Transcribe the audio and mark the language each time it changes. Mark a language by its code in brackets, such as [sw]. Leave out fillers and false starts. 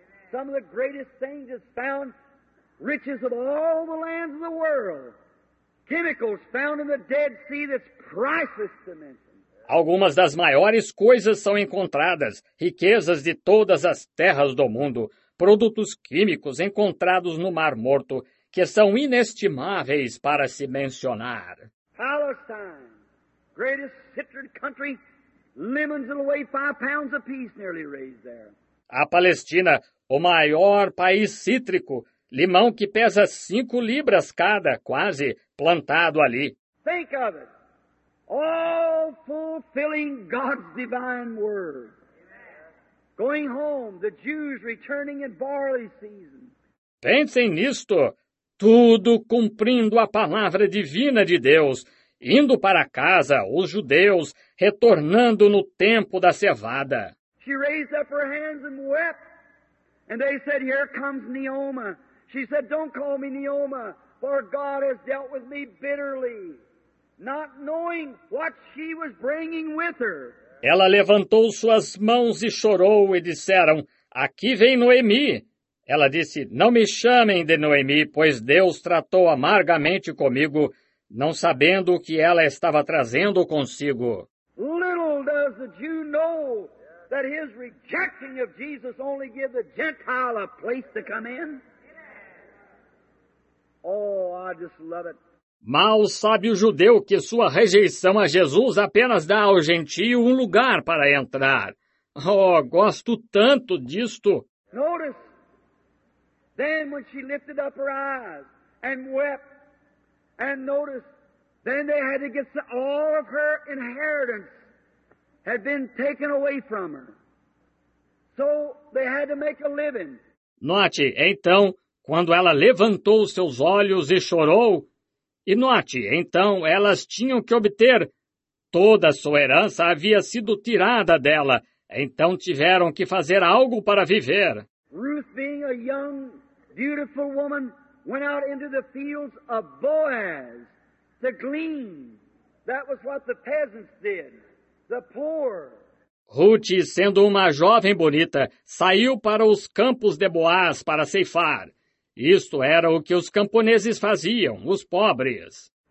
[en] Some of the greatest things is found, riches of all the lands of the world, chemicals found in the Dead Sea that's priceless to men. [pt] Algumas das maiores coisas são encontradas, riquezas de todas as terras do mundo, produtos químicos encontrados no Mar Morto, que são inestimáveis para se mencionar. [en] Palestine, greatest citrus country, lemons will weigh 5 pounds apiece nearly raised there. [pt] A Palestina, o maior país cítrico, limão que pesa 5 libras cada, quase, plantado ali. [en] Think of it. All fulfilling God's divine word. Going home, the Jews returning in barley season. [pt] Pensem nisto. Tudo cumprindo a palavra divina de Deus. Indo para casa, os judeus, retornando no tempo da cevada. [en] She raised up her hands and wept. And they said, here comes Naomi. She said, don't call me Naomi, for God has dealt with me bitterly. Not knowing what she was bringing with her. [pt] Ela levantou suas mãos e chorou e disseram, aqui vem Noemi. Ela disse, não me chamem de Noemi, pois Deus tratou amargamente comigo, não sabendo o que ela estava trazendo consigo. [en] Little does the Jew know that his rejecting of Jesus only give the Gentile a place to come in? Oh, I just love it. [pt] Mal sabe o judeu que sua rejeição a Jesus apenas dá ao gentio um lugar para entrar. Oh, gosto tanto disto. [en] Notice, then when she lifted up her eyes and wept, and notice, then they had to get all of her inheritance had been taken away from her. So they had to make a living. [pt] Note, então, quando ela levantou seus olhos e chorou, e note, então, elas tinham que obter. Toda sua herança havia sido tirada dela, então tiveram que fazer algo para viver. [en] Ruth, being a young, beautiful woman, went out into the fields of Boaz to glean. That was what the peasants did, the poor. [pt] Ruth, sendo uma jovem bonita, saiu para os campos de Boaz para ceifar. Isto era o que os camponeses faziam, os pobres.